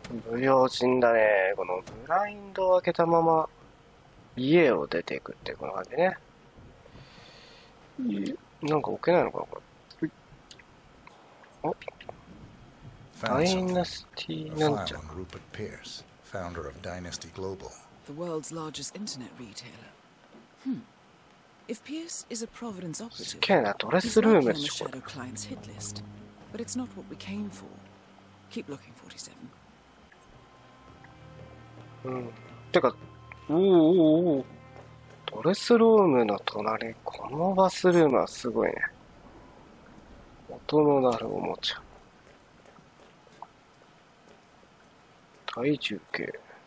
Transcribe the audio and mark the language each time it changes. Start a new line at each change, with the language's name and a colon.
Japanese: 不用心だね。このブラインドを開けたまま家を出ていくってこの感じね。なんか置けないのかな、これ。お、
English: Dynasty Nunchuck. A file on Rupert Pierce, founder of Dynasty Global. The world's largest internet retailer. Hmm. If Pierce is a Providence operative, he's not on the Shadow Client's hit list. But it's not what we came for. Keep looking, 47.
Japanese: てか、おーおーおお、ドレスルームの隣、このバスルームはすごいね。音の鳴るおもちゃ。体重計。